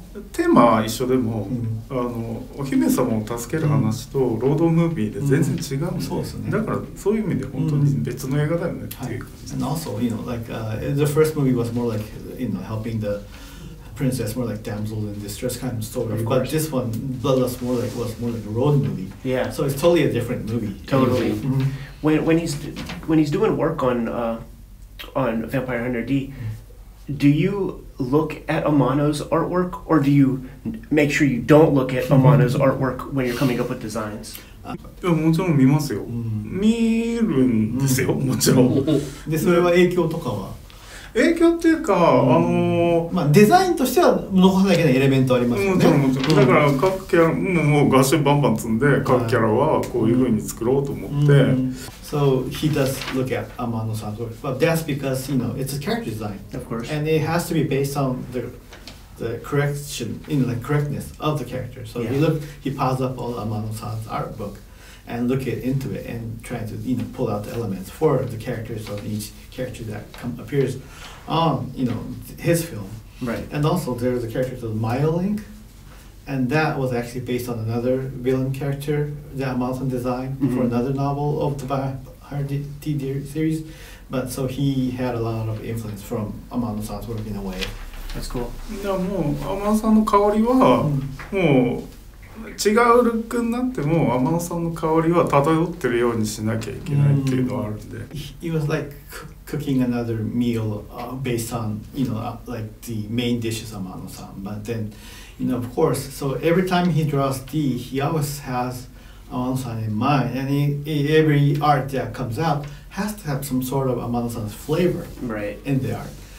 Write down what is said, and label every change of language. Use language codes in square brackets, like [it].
[ja] テーマは一緒でも、うん、お姫様を助ける話とロードムービーで全然違うんで、ん、そうですね。だからそういう意味で本当に別の映画だよねっていう感じ。 [en] And also, you know, like, the first movie was more like, you know, helping the princess, more like damsel in distress kind of story. Of course. But this one, Bloodlust, was more like a road movie. Yeah. So it's totally a different movie. Totally. Mm-hmm. When he's doing work on Vampire Hunter D,、mm-hmm. do you look at Amano's artwork, or do you make sure you don't look at Amano's artwork when you're coming up with designs? [ja] もちろん見ますよ。見るんですよ、もちろん。で、それは影響とかは？影響っていうか、まあ、デザインとしては残さなきゃいけないエレメントありますよね。もちろん、もちろん。だから、各キャラ、もう画集バンバン積んで、各キャラはこういう風に作ろうと思って。 [en] So, he does look at Amano's artwork. But that's because, you know, it's a character design. Of course. And it has to be based on the correction, you know, the correctness of the character. So yeah. He piles up all Amano-san's art book and look it into it and try to, you know, pull out the elements for the characters of each character that appears on, you know, his film. Right. And also there's a character called Myelink, and that was actually based on another villain character that Amano-san designed mm-hmm. for another novel of the Bahardi series. But so he had a lot of influence from Amano-san's work in a way. That's cool. [ja] じゃあもうアマノさんの香りはもう違うルックになってもアマノさんの香りは漂ってるようにしなきゃいけないっていうのはあるんで。 [en] It was like cooking another meal based on, you know, like the main dishes アマノさん. But then, you know, of course, so every time he draws D, he always has アマノさん in mind. And every art that comes out has to have some sort of アマノさん's flavor in the art.